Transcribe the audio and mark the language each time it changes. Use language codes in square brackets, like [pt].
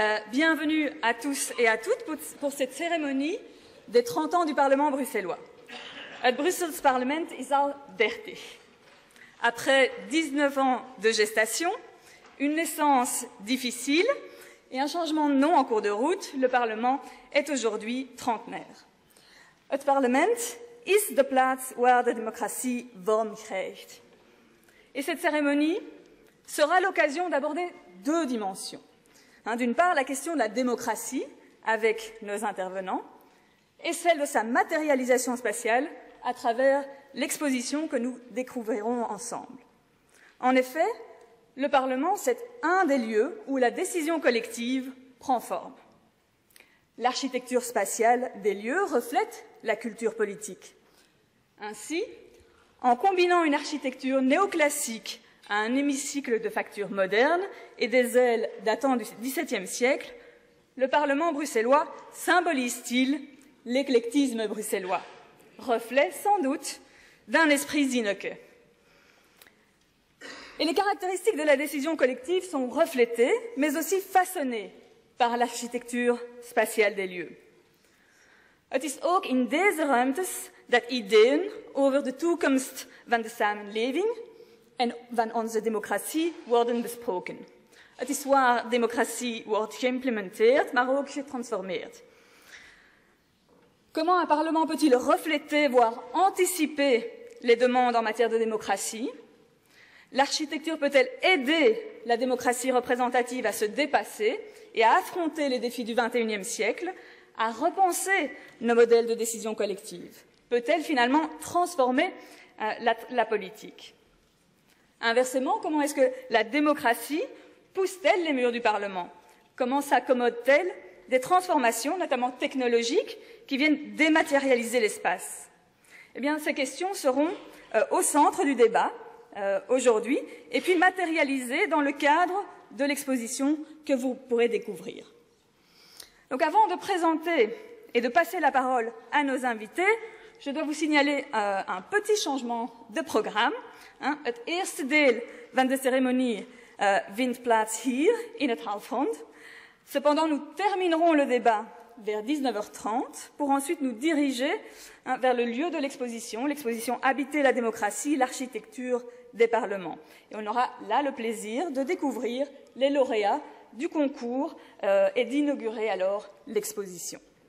[fr] Bienvenue à tous et à toutes pour cette cérémonie des 30 ans du Parlement bruxellois. [nl] Het Brussels Parlement is al 30. [fr] Après 19 ans de gestation, une naissance difficile et un changement de nom en cours de route, le Parlement est aujourd'hui trentenaire. [nl] Het Parlement is de plaats waar de democratie vorm krijgt. [fr] Et cette cérémonie sera l'occasion d'aborder deux dimensions. D'une part, la question de la démocratie avec nos intervenants et celle de sa matérialisation spatiale à travers l'exposition que nous découvrirons ensemble. En effet, le Parlement, c'est un des lieux où la décision collective prend forme. L'architecture spatiale des lieux reflète la culture politique. Ainsi, en combinant une architecture néoclassique à un hémicycle de facture moderne et des ailes datant du XVIIe siècle, le Parlement bruxellois symbolise-t-il l'éclectisme bruxellois, reflet sans doute d'un esprit Zinnöcke. Et les caractéristiques de la décision collective sont reflétées, mais aussi façonnées par l'architecture spatiale des lieux. [nl] Het is ook in deze ruimtes dat ideeën over de toekomst van de samenleving en van onze democratie worden besproken. Het is waar democratie wordt geïmplementeerd, maar ook getransformeerd. [fr] Comment un Parlement peut-il refléter, voire anticiper les demandes en matière de démocratie? L'architecture peut-elle aider la démocratie représentative à se dépasser et à affronter les défis du XXIe siècle, à repenser nos modèles de décision collective? Peut-elle finalement transformer la politique? Inversement, comment est-ce que la démocratie pousse-t-elle les murs du Parlement? Comment s'accommode-t-elle des transformations, notamment technologiques, qui viennent dématérialiser l'espace? Eh bien, ces questions seront au centre du débat aujourd'hui et puis matérialisées dans le cadre de l'exposition que vous pourrez découvrir. Donc, avant de présenter et de passer la parole à nos invités, je dois vous signaler un petit changement de programme. [nl] Het eerste deel van de cérémonie vindt plaats hier, in het halfrond. [fr] Cependant, nous terminerons le débat vers 19h30 pour ensuite nous diriger vers le lieu de l'exposition, l'exposition Habiter la démocratie, l'architecture des parlements. Et on aura là le plaisir de découvrir les lauréats du concours et d'inaugurer alors l'exposition.